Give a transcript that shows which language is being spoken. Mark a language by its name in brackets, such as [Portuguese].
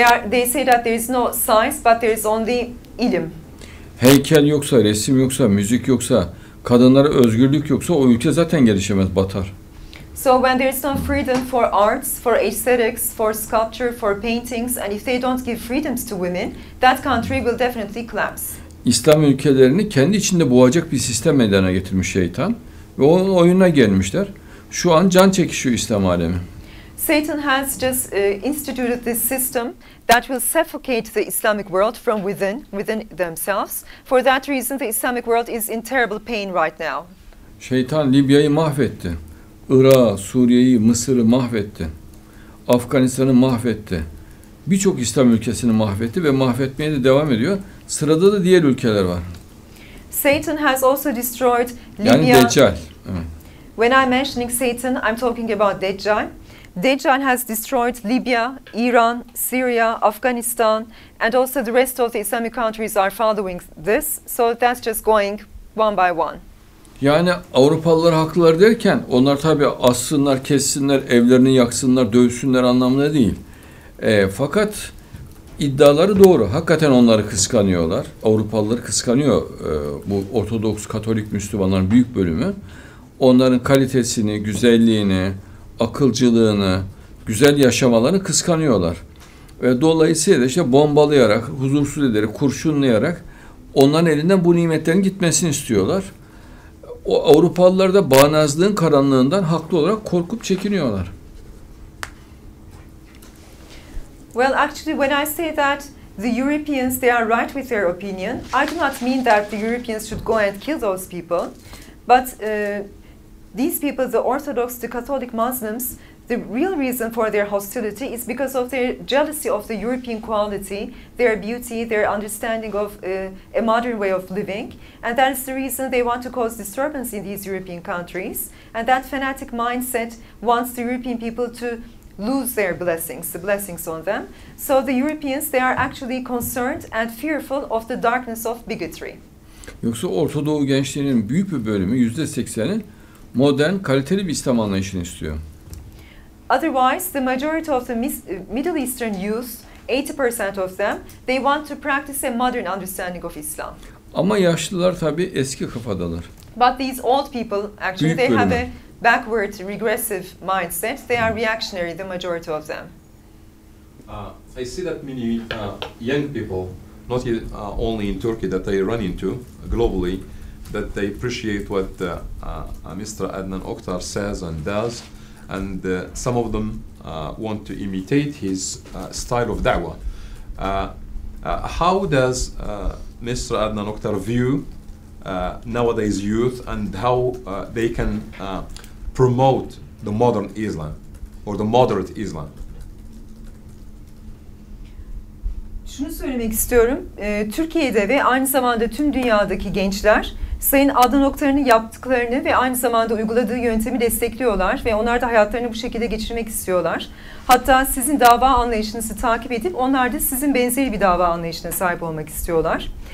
[English] They say that there is no science, but there is only ilim. [Turkish] Heykel yoksa, resim yoksa, müzik yoksa, kadınlara özgürlük yoksa o ülke zaten gelişemez, batar. [English] So when there is no freedom for arts, for aesthetics, for sculpture, for paintings, and if they don't give freedoms to women, that country will definitely collapse. [Turkish] İslam ülkelerini kendi içinde boğacak bir sistem meydana getirmiş şeytan ve onun oyununa gelmişler. Şu an can çekişiyor İslam alemi. [English] Satan has just instituted this system that will suffocate the Islamic world from within themselves. For that reason the Islamic world is in terrible pain right now. [Turkish] Şeytan Libya'yı mahvetti. Irak'ı, Suriye'yi, Mısır'ı mahvetti. Afganistan'ı mahvetti. Birçok İslam ülkesini mahvetti ve mahvetmeye de devam ediyor. Sırada da diğer ülkeler var. [English] Satan has also destroyed Libya. [Turkish] Yani Deccal. [English] When I'm mentioning Satan, I'm talking about Deccal. Deccal has destroyed Libya, Iran, Syria, Afghanistan and also the rest of the Islamic countries are following this. So that's just going one by one. [Turkish] Yani Avrupalılar haklılar derken onlar tabii assınlar, kessinler, evlerini yaksınlar, dövsünler anlamına değil. Fakat iddiaları doğru. Hakikaten onları kıskanıyorlar. Avrupalıları kıskanıyor bu Ortodoks Katolik Müslümanların büyük bölümü. Onların kalitesini, güzelliğini, akılcılığını, güzel yaşamalarını kıskanıyorlar. Ve dolayısıyla işte bombalayarak, huzursuz ederek, kurşunlayarak onların elinden bu nimetlerin gitmesini istiyorlar. O Avrupalılar da bağnazlığın karanlığından haklı olarak korkup çekiniyorlar. [English] Well, actually, when I say that the Europeans, they are right with their opinion, I do not mean that the Europeans should go and kill those people. But these people, the Orthodox, the Catholic Muslims, the real reason for their hostility is because of their jealousy of the European quality, their beauty, their understanding of a modern way of living. And that is the reason they want to cause disturbance in these European countries. And that fanatic mindset wants the European people to lose their blessings, the blessings on them. So the Europeans, they are actually concerned and fearful of the darkness of bigotry. [Turkish] Yoksa Orta Doğu gençliğinin büyük bir bölümü, %80'i modern, kaliteli bir İslam anlayışını istiyor. [English] Otherwise, the majority of the Middle Eastern youth, 80% of them, they want to practice a modern understanding of Islam. [Turkish] Ama yaşlılar tabii eski kafadalar. [English] But these old people, actually, [Turkish] büyük [English] they [Turkish] bölümü. [English] Have a backward, regressive mindset. They are reactionary, the majority of them. I see that many young people, not only in Turkey that I run into globally, that they appreciate what Mr. Adnan Oktar says and does, and some of them want to imitate his style of da'wah. How does Mr. Adnan Oktar view nowadays youth, and how they can promote the modern Islam or the moderate Islam? [Turkish] Şunu söylemek istiyorum. Türkiye'de ve aynı zamanda tüm dünyadaki gençler Sayın Adnan Oktar'ın yaptıklarını ve aynı zamanda uyguladığı yöntemi destekliyorlar ve onlar da hayatlarını bu şekilde geçirmek istiyorlar. Hatta sizin dava anlayışınızı takip edip onlar da sizin benzeri bir dava anlayışına sahip olmak istiyorlar.